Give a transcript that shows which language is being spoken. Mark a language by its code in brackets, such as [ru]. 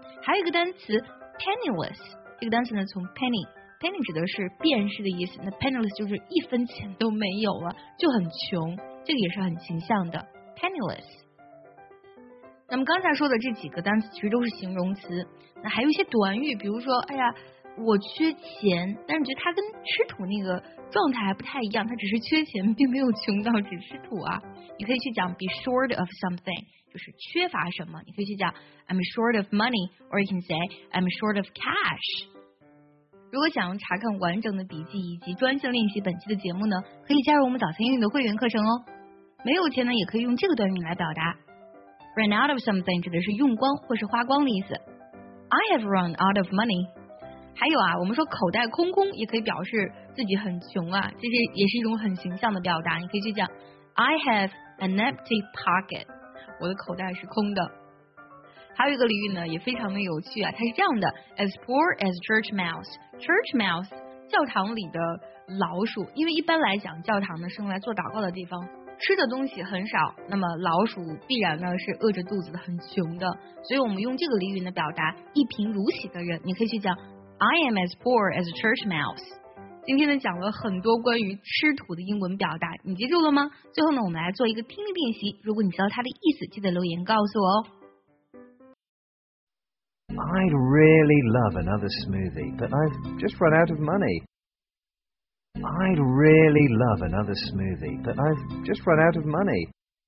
[zh] 还有一个单词 penniless， 这个单词呢从 penny 指的是便士的意思，那 penniless 就是一分钱都没有了，就很穷，这个也是很形象的 penniless。那么刚才说的这几个单词其实都是形容词，那还有一些短语，比如说哎呀我缺钱，但是觉得它跟吃土那个状态还不太一样，它只是缺钱并没有穷到只吃土啊。你可以去讲 [en] be short of something， [zh] 就是缺乏什么，你可以去讲 [en] I'm short of money， or you can say I'm short of cash。 [zh] 如果想查看完整的笔记以及专项练习本期的节目呢，可以加入我们早餐英语的会员课程哦。没有钱呢也可以用这个短语来表达，Run out of something 指的是用光或是花光的意思。 [en] I have run out of money。 [zh] 还有啊，我们说口袋空空也可以表示自己很穷啊，这些也是一种很形象的表达。你可以去讲 [en] I have an empty pocket， [zh] 我的口袋是空的。还有一个俚语呢，也非常的有趣啊，它是这样的 ： [en] As poor as church mouse， [zh] church mouse 教堂里的老鼠，因为一般来讲教堂呢是用来做祷告的地方。吃的东西很少，那么老鼠必然呢是饿着肚子的，很穷的。所以我们用这个俚语呢表达一贫如洗的人，你可以去讲 [en] I am as poor as a church mouse。 [zh] 今天呢讲了很多关于吃土的英文表达，你记住了吗？最后呢我们来做一个听力练习，如果你知道它的意思，记得留言告诉我哦。 [en] I'd really love another smoothie, but I've just run out of money. I'd really love another smoothie, but I've just run out of money.